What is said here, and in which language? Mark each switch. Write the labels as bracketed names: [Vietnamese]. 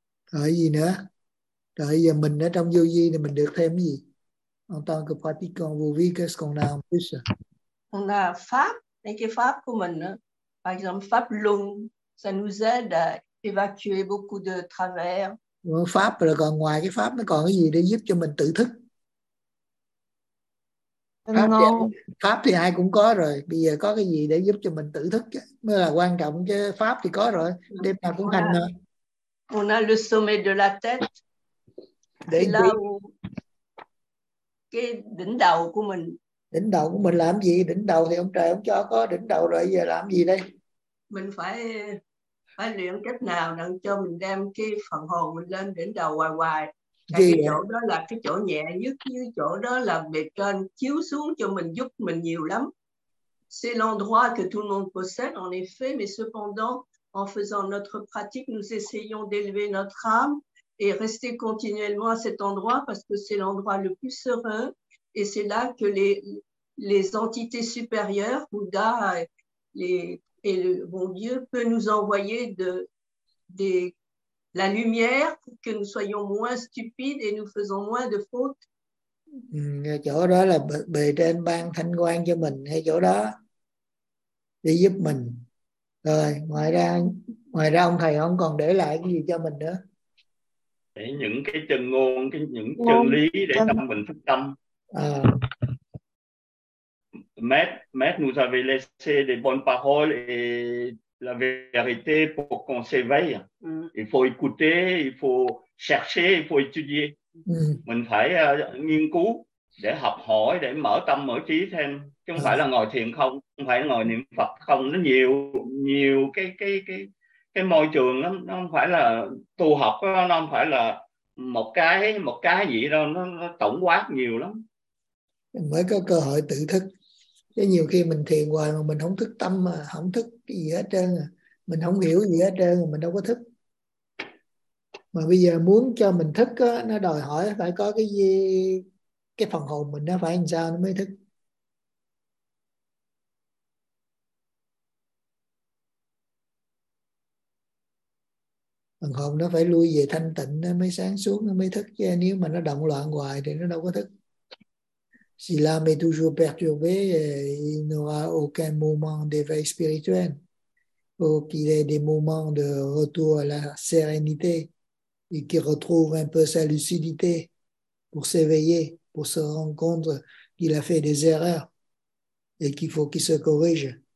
[Vietnamese] Rồi gì nữa? Rồi giờ mình ở trong vô vi thì mình được thêm cái gì? [French] On tant que pratiquant vô vi, qu'est-ce qu'on a en plus? On a [Vietnamese] Pháp, cái Pháp của mình á. [French] Par exemple, Pháp Luân, ça nous aide à évacuer beaucoup de travers. [Vietnamese] Pháp là còn ngoài cái Pháp, nó còn cái gì để giúp cho mình tự thức? Pháp thì ai cũng có rồi. Bây giờ có cái gì để giúp cho mình tự thức mới là quan trọng chứ. Pháp thì có rồi. Đêm nào cũng hành rồi. [French] On a le sommet de la tête. [Vietnamese] Để là cái đỉnh đầu của mình. Đỉnh đầu của mình làm gì? Đỉnh đầu thì ông trời ông cho có đỉnh đầu rồi, giờ làm gì đây? Mình phải luyện cách nào để cho mình đem cái phần hồn mình lên đỉnh đầu hoài. Cái chỗ đó là cái chỗ nhẹ nhất, như chỗ đó là bề trên chiếu xuống cho mình, giúp mình nhiều lắm. [French] C'est l'endroit que tout le monde possède en effet, mais cependant en faisant notre pratique nous essayons d'élever notre âme et rester continuellement à cet endroit parce que c'est l'endroit le plus serein. Et c'est là que les entités supérieures, Bouddha et le bon Dieu, peuvent nous envoyer de la lumière pour que nous soyons moins stupides et nous faisons moins de fautes. [Vietnamese] Chỗ đó là bề trên ban thanh quang cho mình, hay chỗ đó để giúp mình. Rồi, ngoài ra ông thầy không còn để lại cái gì cho mình nữa. Để những cái chân ngôn, những chân lý để tâm mình thức tâm. [French] Maître nous avait laissé des bonnes paroles et la vérité pour qu'on s'éveille. Il faut écouter, il faut chercher, il faut étudier. [Vietnamese] Mình phải nghiên cứu để học hỏi, để mở tâm mở trí thêm, chứ không phải là ngồi thiền không, không phải ngồi niệm Phật không, nó nhiều cái môi trường lắm, nó không phải là tu học, nó không phải là một cái gì đâu, nó tổng quát nhiều lắm. Mới có cơ hội tự thức. Chứ nhiều khi mình thiền hoài mà mình không thức tâm, mà không thức cái gì hết trơn, mình không hiểu gì hết trơn, mình đâu có thức. Mà bây giờ muốn cho mình thức á, nó đòi hỏi phải có cái gì, cái phần hồn mình nó phải làm sao nó mới thức. Phần hồn nó phải lui về thanh tịnh nó mới sáng suốt, nó mới thức. Chứ nếu mà nó động loạn hoài thì nó đâu có thức. [French] Si l'âme est toujours perturbée, il n'aura aucun moment d'éveil spirituel. Faut qu'il ait des moments de retour à la sérénité et qu'il retrouve un peu sa lucidité pour s'éveiller, pour se rendre compte qu'il a fait des erreurs et qu'il faut qu'il se corrige.